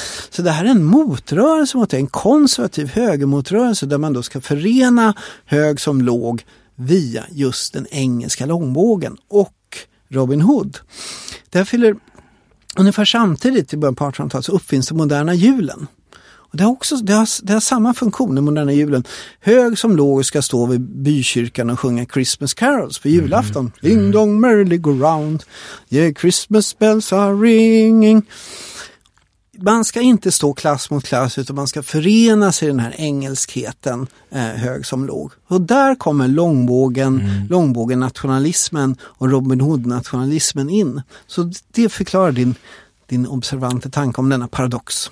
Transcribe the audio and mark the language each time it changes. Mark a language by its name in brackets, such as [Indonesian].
[Swedish] Så det här är en motrörelse mot det. En konservativ högermotrörelse där man då ska förena hög som låg via just den engelska långbågen och Robin Hood. Det här fyller... Ungefär samtidigt i början på 1800-talet så uppfinns den moderna julen. Och det har samma funktion, den moderna julen. Hög som låg ska stå vid bykyrkan och sjunga Christmas carols på julafton. Mm. [English] Ding dong merrily go round, yeah, Christmas bells are ringing. [Swedish] Man ska inte stå klass mot klass utan man ska förena sig i den här engelskheten, hög som låg. Och där kommer långbågen nationalismen och Robin Hood-nationalismen in. Så det förklarar din, din observante tanke om denna paradox?